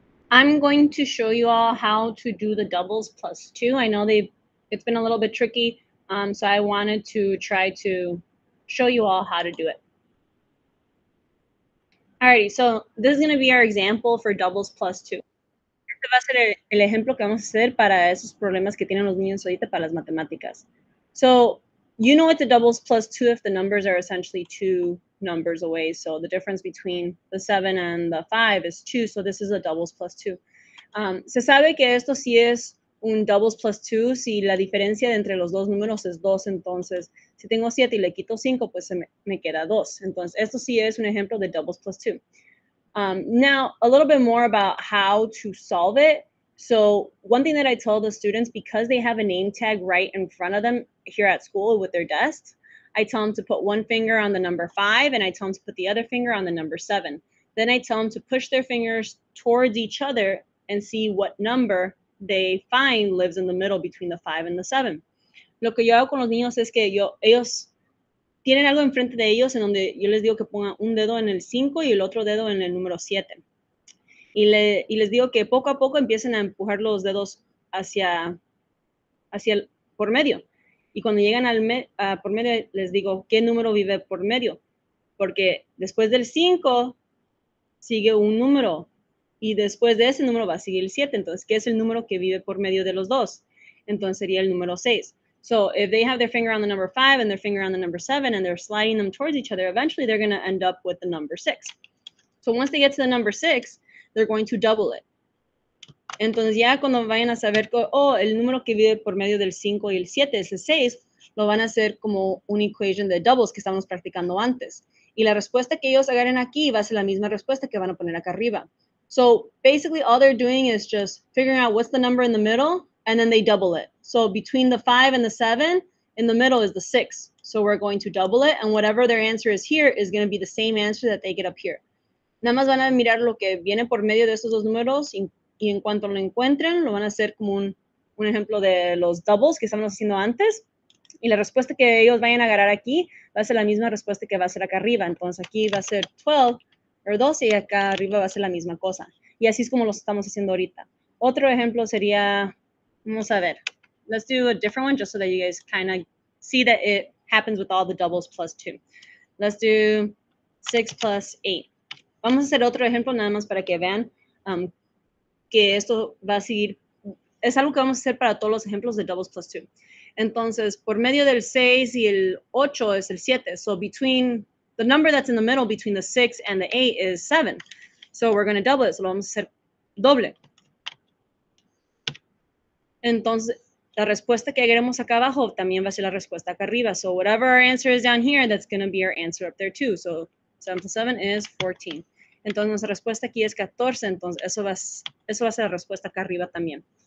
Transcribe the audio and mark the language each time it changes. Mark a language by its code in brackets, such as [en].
[en] I'm going to show you all how to do the doubles plus two. I know it's been a little bit tricky, so I wanted to try to show you all how to do it. Alrighty, so this is going to be our example for doubles plus two. [es] Este va a ser el ejemplo que vamos a hacer para esos problemas que tienen los niños ahorita para las matemáticas. [en] So, you know it's a doubles plus two if the numbers are essentially two numbers away. So the difference between the 7 and the 5 is 2. So this is a doubles plus 2. [es] Se sabe que esto sí es un doubles plus 2 si la diferencia de entre los dos números es 2. Entonces, si tengo 7 y le quito 5, pues me queda 2. Entonces, esto sí es un ejemplo de doubles plus 2. [en] Now, a little bit more about how to solve it. So one thing that I tell the students, because they have a name tag right in front of them here at school with their desk, I tell them to put one finger on the number 5, and I tell them to put the other finger on the number 7. Then I tell them to push their fingers towards each other and see what number they find lives in the middle between the 5 and the 7. [es] Lo que yo hago con los niños es que ellos tienen algo enfrente de ellos en donde yo les digo que pongan un dedo en el 5 y el otro dedo en el número 7. Y les digo que poco a poco empiecen a empujar los dedos hacia el por medio. Y cuando llegan por medio, les digo, ¿qué número vive por medio? Porque después del 5, sigue un número. Y después de ese número va a seguir el 7. Entonces, ¿qué es el número que vive por medio de los dos? Entonces, sería el número 6. [en] So, if they have their finger on the number 5 and their finger on the number 7, and they're sliding them towards each other, eventually they're going to end up with the number 6. So, once they get to the number 6, they're going to double it. [es] Entonces, ya cuando vayan a saber, el número que vive por medio del 5 y el 7 es el 6, lo van a hacer como una equation de doubles que estábamos practicando antes. Y la respuesta que ellos agarren aquí va a ser la misma respuesta que van a poner acá arriba. [en] So, basically, all they're doing is just figuring out what's the number in the middle, and then they double it. So, between the 5 and the 7, in the middle is the 6. So, we're going to double it, and whatever their answer is here is going to be the same answer that they get up here. [es] Nada más van a mirar lo que viene por medio de esos dos números, y en cuanto lo encuentren, lo van a hacer como un ejemplo de los doubles que estábamos haciendo antes. Y la respuesta que ellos vayan a agarrar aquí va a ser la misma respuesta que va a ser acá arriba. Entonces, aquí va a ser 12, o 12, y acá arriba va a ser la misma cosa. Y así es como los estamos haciendo ahorita. Otro ejemplo sería, vamos a ver. [en] Let's do a different one just so that you guys kind of see that it happens with all the doubles plus 2. Let's do 6 plus 8. [es] Vamos a hacer otro ejemplo nada más para que vean que esto va a seguir, es algo que vamos a hacer para todos los ejemplos de doubles plus 2. Entonces, por medio del 6 y el 8 es el 7. [en] So, between, the number that's in the middle between the 6 and the 8 is 7. So, we're going to double it. So, [es] lo vamos a hacer doble. Entonces, la respuesta que agregamos acá abajo también va a ser la respuesta acá arriba. [en] So, whatever our answer is down here, that's going to be our answer up there too. So, 7 plus 7 is 14. [es] Entonces, nuestra respuesta aquí es 14, entonces eso va a ser la respuesta acá arriba también.